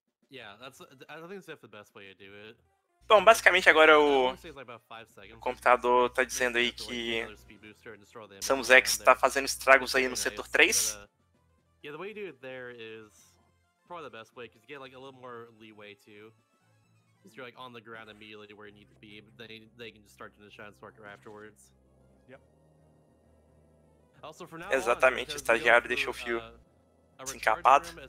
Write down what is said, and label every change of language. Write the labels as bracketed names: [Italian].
[English] Yeah, I think that's the best way to do it. [Portuguese] Bom, basicamente agora o computador tá dizendo aí que Samus X tá fazendo estragos aí no setor 3. [English] Yeah, the way you do it there is probably the best way, because you get like a little more leeway too. Because you're like on the ground immediately where you need to be, but then they can just start doing the shine sparker afterwards. Yep. Also, for now, [Portuguese] exatamente, o estagiário deixou o fio. Encapado.